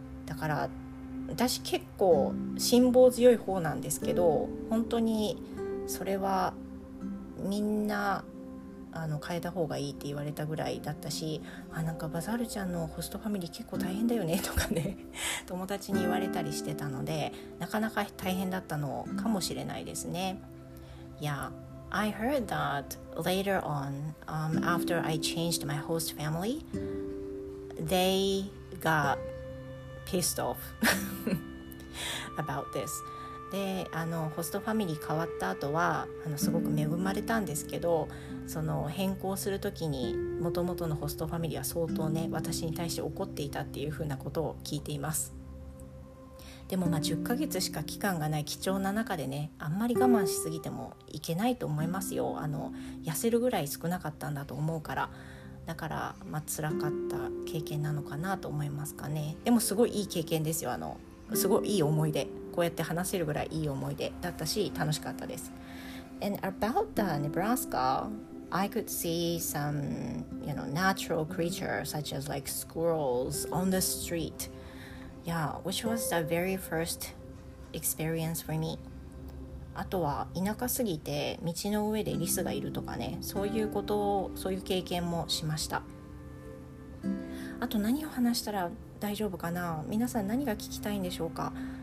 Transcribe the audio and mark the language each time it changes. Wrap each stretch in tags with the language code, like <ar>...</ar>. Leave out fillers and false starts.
<ja>だから私結構辛抱強い方なんですけど、本当にそれはみんな変えた方がいいって言われたぐらいだったし、あ、なんかバザールちゃんのホストファミリー結構大変だよねとかね友達に言われたりしてたので、なかなか大変だったのかもしれないですね。</ja> <en>Yeah, I heard that later on, after I changed my host family, they got pissed off about this.</en> <ja>で、ホストファミリー変わった後はすごく恵まれたんですけど、その変更する時に元々のホストファミリーは相当ね、私に対して怒っていたっていう風なことを聞いています。でもまあ10ヶ月しか期間がない貴重な中でね、あんまり我慢しすぎてもいけないと思いますよ。痩せるぐらい少なかったんだと思うから、だからまあ辛かった経験なのかなと思いますかね。でもすごいいい経験ですよ。すごいいい思い出、こうやって話せるぐらいいい思い出だったし、楽しかったです。</ja> <en>And about the Nebraska, I could see some, you know, natural creatures such as like squirrels on the street. Yeah, which was the very first experience for me.</en> <ja>あとは田舎すぎて道の上でリスがいるとかね、そういうことを、そういう経験もしました。あと何を話したら大丈夫かな、皆さん何が聞きたいんでしょうか。</ja>